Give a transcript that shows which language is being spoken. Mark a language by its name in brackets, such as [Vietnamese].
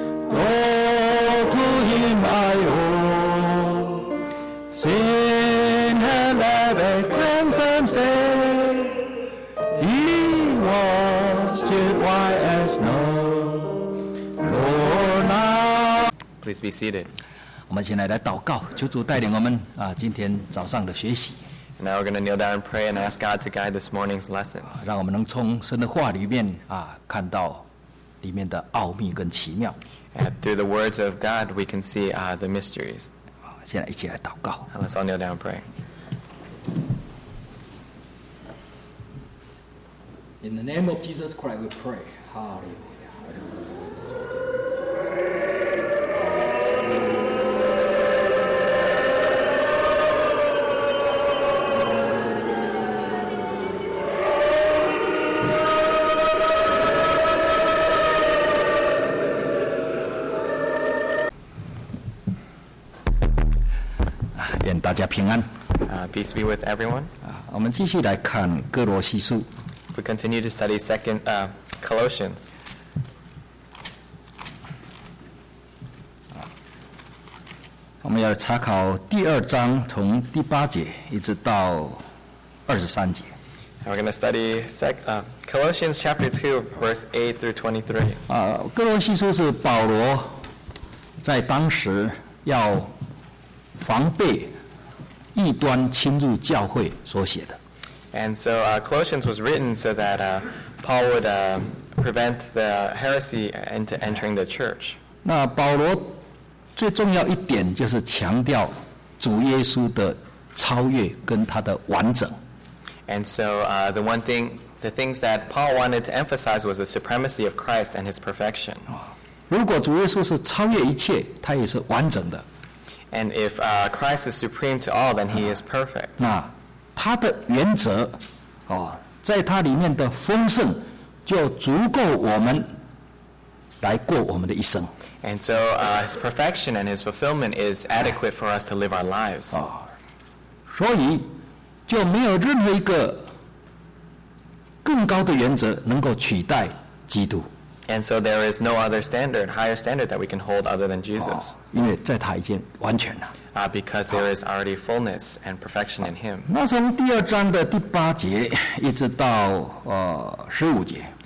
[English] Go to him I owe. Sin and ever cleanse them stay. He washed it white as snow. Lord, now. Please be seated. [Chinese] 我们先来祷告，求主带领我们今天早上的学习。 [English] Now we're going to kneel down and pray and ask God to guide this morning's lessons. [Chinese] 让我们能从神的话里面看到里面的奥秘跟奇妙。 [English] And through the words of God, we can see the mysteries. [Chinese] 现在一起来祷告。 [English] Let's all kneel down and pray. In the name of Jesus Christ, we pray. Hallelujah. [Chinese] 大家平安。 [English] Peace be with everyone. [Chinese] 我们继续来看哥罗西书。 [English] We continue to study second Colossians. [Chinese] 我们要查考第二章从第八节一直到二十三节。 [English] We're going to study Colossians chapter 2, verse 8 through 23. [Chinese] 哥罗西书是保罗在当时要防备。异端侵入教会所写的。 [English] And so Colossians was written so that Paul would prevent the heresy into entering the church. [Chinese] 那保罗最重要一点就是强调主耶稣的超越跟他的完整。 [English] And so the things that Paul wanted to emphasize was the supremacy of Christ and his perfection. [Chinese] 如果主耶稣是超越一切，他也是完整的。 [English] And if Christ is supreme to all, then he is perfect. [Chinese] 那他的原则在他里面的丰盛就足够我们来过我们的一生。 [English] And so his perfection and his fulfillment is adequate for us to live our lives. [Chinese] 所以就没有任何一个更高的原则能够取代基督。 [English] And so there is no other standard, higher standard that we can hold other than Jesus. [Chinese] 因为在他已经完全了。 [English] Because there is already fullness and perfection in him. [Chinese] 那从第二章的第八节一直到十五节。